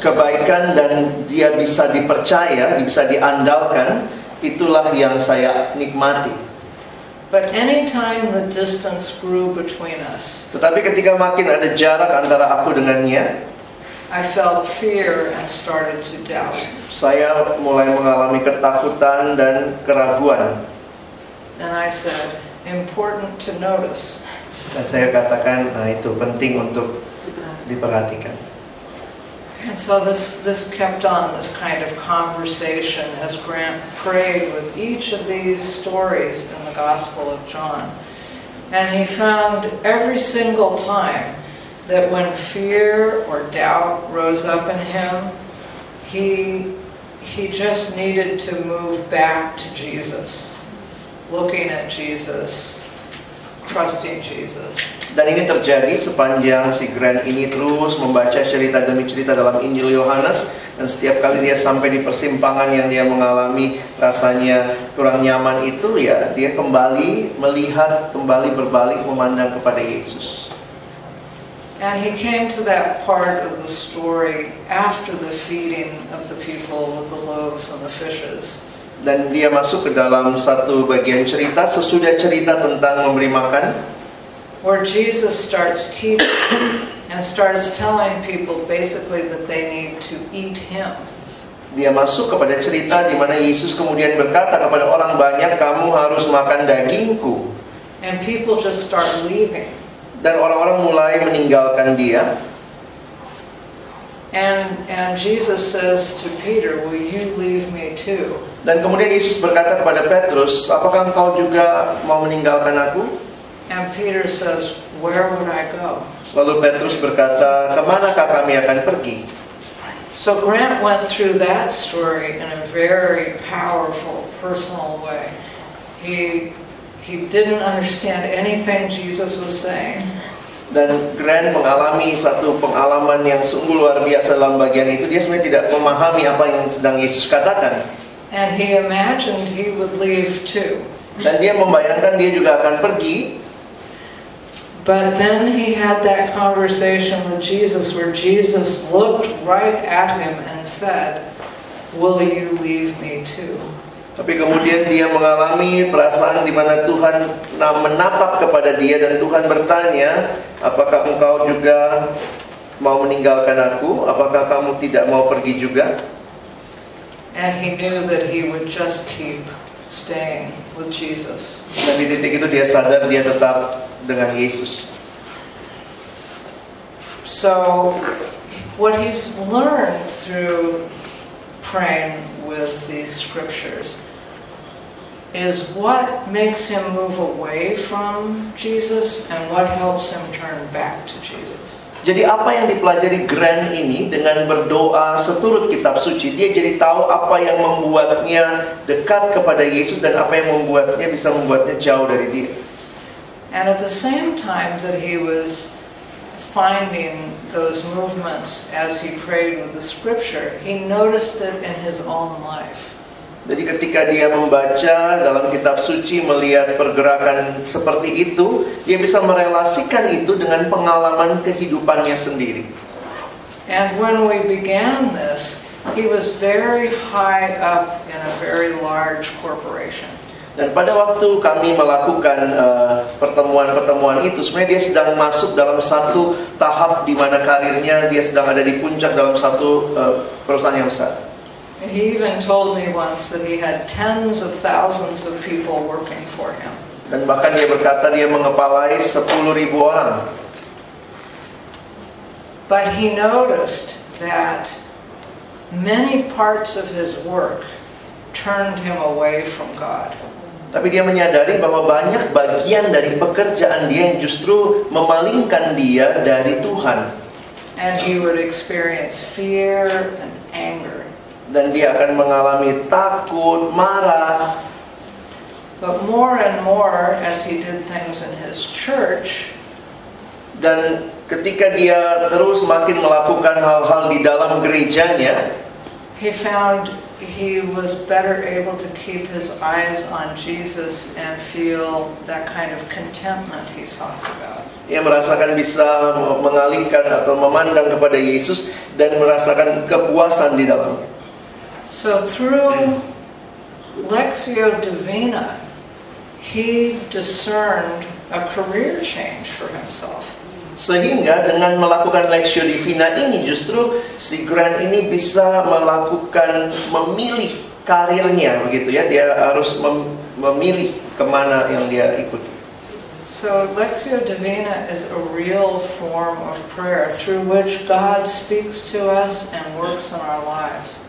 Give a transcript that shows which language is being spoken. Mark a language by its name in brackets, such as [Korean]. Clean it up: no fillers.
[Indonesian] Kebaikan dan dia bisa dipercaya, bisa diandalkan, itulah yang saya nikmati. [English] But any time the distance grew between us. [Indonesian] Tetapi ketika makin ada jarak antara aku dengannya, [English] I felt fear and started to doubt. [Indonesian] Saya mulai mengalami ketakutan dan keraguan. [English] And I said, important to notice. [Indonesian] Dan saya katakan, nah itu penting untuk diperhatikan. [English] And so this kept on, this kind of conversation, as Grant prayed with each of these stories in the Gospel of John. And he found every single time that when fear or doubt rose up in him, he just needed to move back to Jesus, looking at Jesus, trusting Jesus. [Indonesian] Dan ini terjadi sepanjang si Grant ini terus membaca cerita demi cerita dalam Injil Yohanes. Dan setiap kali dia sampai di persimpangan yang dia mengalami rasanya kurang nyaman itu, ya dia kembali melihat, kembali berbalik memandang kepada Yesus. [English] And he came to that part of the story after the feeding of the people with the loaves and the fishes. [Indonesian] Dan dia masuk ke dalam satu bagian cerita sesudah cerita tentang memberi makan. [English] Where Jesus starts teaching and starts telling people basically that they need to eat him. [Indonesian] Dia masuk kepada cerita di mana Yesus kemudian berkata kepada orang banyak, kamu harus makan dagingku. [English] And people just start leaving. [Indonesian] Dan orang-orang mulai meninggalkan dia. [English] And Jesus says to Peter, will you leave me too? [Indonesian] Dan kemudian Yesus berkata kepada Petrus, apakah engkau juga mau meninggalkan aku? [English] And Peter says, where would I go? [Indonesian] Lalu Petrus berkata, kemanakah kami akan pergi? [English] So Grant went through that story in a very powerful, personal way. He didn't understand anything Jesus was saying. [Indonesian] Dan Grant mengalami satu pengalaman yang sungguh luar biasa dalam bagian itu. Dia sebenarnya tidak memahami apa yang sedang Yesus katakan. [English] And he imagined he would leave too. [Indonesian] Dan dia membayangkan dia juga akan pergi. [English] But then he had that conversation with Jesus where Jesus looked right at him and said, will you leave me too? [Indonesian] Tapi kemudian dia mengalami perasaan di mana Tuhan menatap kepada dia dan Tuhan bertanya, apakah engkau juga mau meninggalkan aku? Apakah kamu tidak mau pergi juga? [English] And he knew that he would just keep staying with Jesus. [Indonesian] Dan di titik itu dia sadar dia tetap dengan Yesus. [English] So what he's learned through praying with these scriptures is what makes him move away from Jesus and what helps him turn back to Jesus. [Indonesian] Jadi apa yang dipelajari Grant ini dengan berdoa seturut kitab suci, dia jadi tahu apa yang membuatnya dekat kepada Yesus dan apa yang membuatnya bisa membuatnya jauh dari dia. [English] And at the same time that he was finding those movements as he prayed with the scripture, he noticed it in his own life. [Indonesian] Jadi ketika dia membaca dalam kitab suci, melihat pergerakan seperti itu, dia bisa merelasikan itu dengan pengalaman kehidupannya sendiri. [English] And when we began this, he was very high up in a very large corporation. [Indonesian] Dan pada waktu kami melakukan pertemuan-pertemuan itu, sebenarnya dia sedang masuk dalam satu tahap di mana karirnya dia sedang ada di puncak dalam satu perusahaan yang besar. [English] He even told me once that he had tens of thousands of people working for him. [Indonesian] Dan bahkan dia berkata dia mengepalai 10.000 orang. [English] But he noticed that many parts of his work turned him away from God. [Indonesian] Tapi dia menyadari bahwa banyak bagian dari pekerjaan dia yang justru memalingkan dia dari Tuhan. [English] And he would experience fear and anger. [Indonesian] Dan dia akan mengalami takut, marah. [English] But more and more as he did things in his church, [Indonesian] dan ketika dia terus makin melakukan hal-hal di dalam gerejanya, [English] he found he was better able to keep his eyes on Jesus and feel that kind of contentment he talked about. [Indonesian] Ia merasakan bisa mengalihkan atau memandang kepada Yesus dan merasakan kepuasan di dalamnya. [English] So through Lectio Divina, he discerned a career change for himself. [Indonesian] Sehingga dengan melakukan Lectio Divina ini, justru si Grant ini bisa melakukan, memilih karirnya, begitu ya. Dia harus memilih kemana yang dia ikuti. [English] So Lectio Divina is a real form of prayer through which God speaks to us and works in our lives.